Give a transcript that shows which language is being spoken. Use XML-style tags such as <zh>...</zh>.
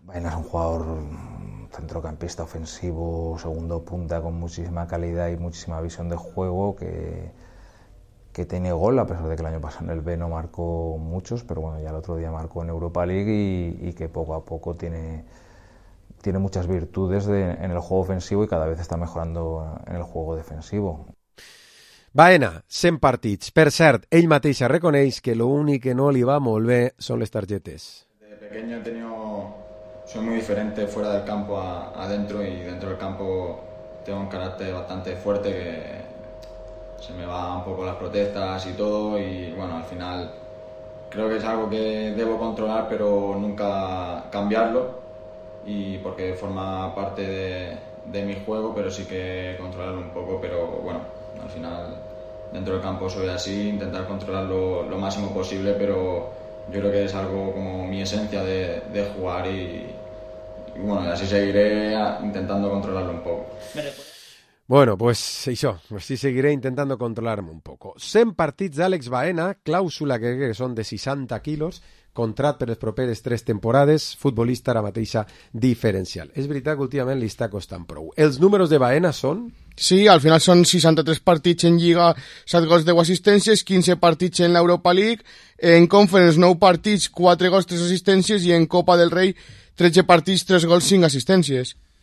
<es>Baena es un jugador centrocampista ofensivo, segundo punta con muchísima calidad y muchísima visión de juego que tiene gol, a pesar de que el año pasado en el B no marcó muchos, pero bueno, ya el otro día marcó en Europa League y que poco a poco tiene muchas virtudes en el juego ofensivo y cada vez está mejorando en el juego defensivo.</es> <ca>Baena, 100 partits. Per cert, ell mateix reconeix que lo únic que no li va molt bé són les targetes.</ca> <es>De pequeño soy muy diferente fuera del campo a dentro y dentro del campo tengo un carácter bastante fuerte que se me va un poco las protestas y todo y bueno, al final creo que es algo que debo controlar pero nunca cambiarlo y porque forma parte de mi juego, pero sí que controlarlo un poco, pero bueno, al final dentro del campo soy así, intentar controlarlo lo máximo posible, pero yo creo que es algo como mi esencia de jugar y bueno, y así seguiré intentando controlarlo un poco. Bueno, pues eso, pues sí seguiré intentando controlarme un poco.</es> <ca>100 partits d'Àlex Baena, clàusula que són de 60 quilos, contrat per les properes 3 temporades, futbolista ara mateixa diferencial. És veritat que últimament li està costant prou. Els números de Baena són... Sí, al final són 63 partits en Lliga, 7 gols, 10 assistències, 15 partits en l'Europa League, en Conference 9 partits, 4 gols, 3 assistències i en Copa del Rei 13 partits, 3 gols, 5 assistències.</ca>